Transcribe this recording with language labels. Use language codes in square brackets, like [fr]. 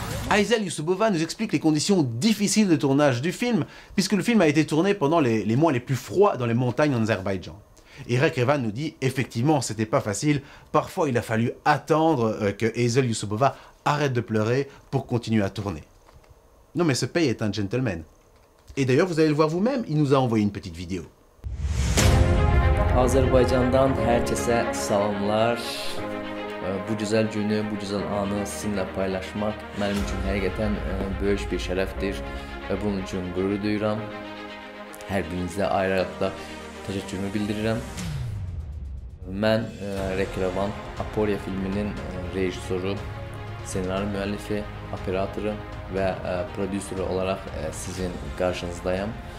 [fr] Aizel Yusubova nous explique les conditions difficiles de tournage du film, puisque le film a été tourné pendant les mois les plus froids dans les montagnes en Azerbaïdjan. Et Rick Revan nous dit, effectivement, c'était pas facile. Parfois, il a fallu attendre que Ezel Yusubova arrête de pleurer pour continuer à tourner. Non, mais ce pays est un gentleman. Et d'ailleurs, vous allez le voir vous-même, il nous a envoyé une petite vidéo. [tr] Azerbaïdjan'dan herkese salamlar. Bu güzel günü, bu güzel anı sizinle paylaşmak benim için hakikaten büyük bir şereftir. Ve bunun için gurur duyuram. [az] Her birinize ayrı ayrı təşəkkürümü bildirirəm. Mən Rick Revan, Aporia filminin rejissoru, senaryo müəllifi, operatoru və prodüseri olaraq sizin qarşınızdayım.